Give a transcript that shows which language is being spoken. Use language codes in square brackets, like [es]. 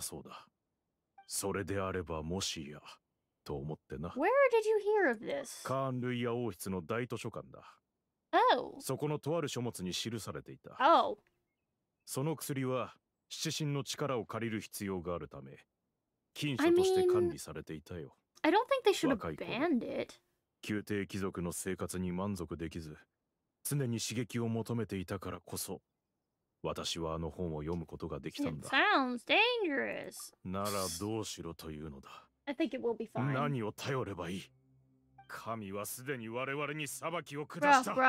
[ja] そうだ。それであればもしや。と思ってな。 [en] Where did you hear of this? [ja] カーンルイヤ王室の大図書館だ。 [en] Oh. [ja] そこのとある書物に記されていた。 [en] Oh. [ja] その薬は七神の力を借りる必要があるため、禁書として管理されていたよ。 [en] I mean, I don't think they should have banned it. [ja] 宮廷貴族の生活に満足できず、常に刺激を求めていたからこそ、私はあの本を読むことができたんだ。 [en] It sounds dangerous. [ja] ならどうしろというのだ。 [en] I think it will be fine. [ja] 何を頼ればいい。神はすでに我々に裁きを下した。